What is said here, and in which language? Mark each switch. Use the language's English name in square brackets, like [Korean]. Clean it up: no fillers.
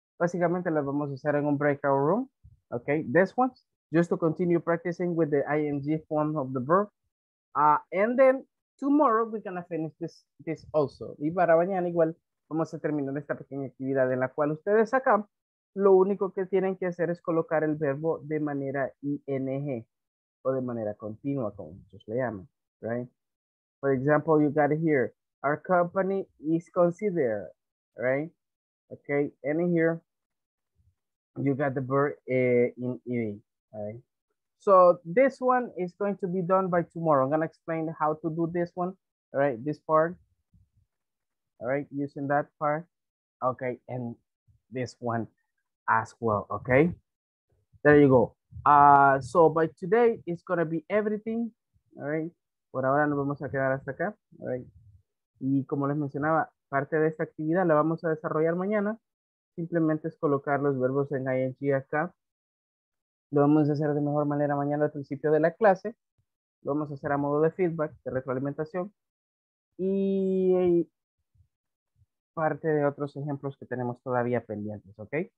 [Spanish] Básicamente las vamos a hacer en un breakout room. [English] Okay, this one, just to continue practicing with the ING form of the verb. And then tomorrow we're gonna finish this also. [Spanish] Y para mañana igual vamos a terminar esta pequeña actividad en la cual ustedes acá lo único que tienen que hacer es colocar el verbo de manera ING o de manera continua, como muchos le llaman, right? [English] For example, you got it here. Our company is considered, right? Okay, and in here, you got the verb in E, all right? So this one is going to be done by tomorrow. I'm gonna explain how to do this one, all right? This part, all right? Using that part, okay? And this one as well, okay? There you go. So by today, it's gonna be everything, all right? [Spanish] Por ahora nos vamos a quedar hasta acá, all right? Y como les mencionaba, parte de esta actividad la vamos a desarrollar mañana. Simplemente es colocar los verbos en ING acá. Lo vamos a hacer de mejor manera mañana al principio de la clase. Lo vamos a hacer a modo de feedback, de retroalimentación. Y parte de otros ejemplos que tenemos todavía pendientes, ¿ok?